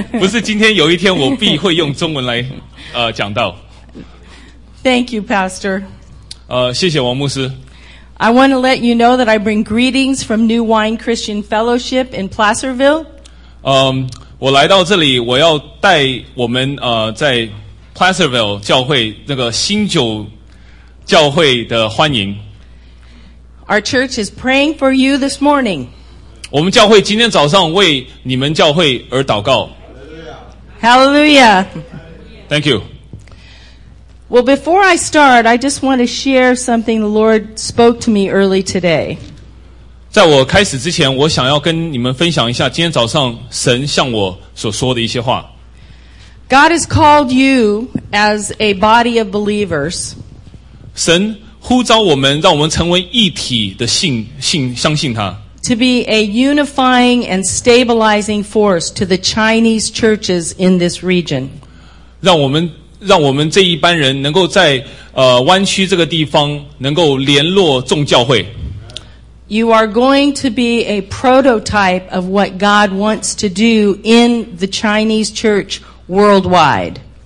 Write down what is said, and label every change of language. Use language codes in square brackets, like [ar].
[zh] 不是今天有一天我必会用中文来讲道。 [en] Thank you, Pastor. [zh] 谢谢王牧师。 [en] I want to let you know that I bring greetings from New Wine Christian Fellowship in Placerville. [zh] 我来到这里，我要带我们在 Placerville 教会那个新酒教会的欢迎。 [en] Our church is praying for you this morning. [zh] 我们教会今天早上为你们教会而祷告。 [en] Hallelujah. Thank you. Well, before I start, I just want to share something the Lord spoke to me early today. [zh] 在我开始之前，我想要跟你们分享一下今天早上神向我所说的一些话。 [en] God has called you as a body of believers. [zh] 神呼召我们，让我们成为一体的信相信他。 [en] To be a unifying and stabilizing force to the Chinese churches in this region. [zh] 让我们这一班人能够在湾区这个地方能够联络众教会。 [en] You are going to be a prototype of what God wants to do in the Chinese church worldwide.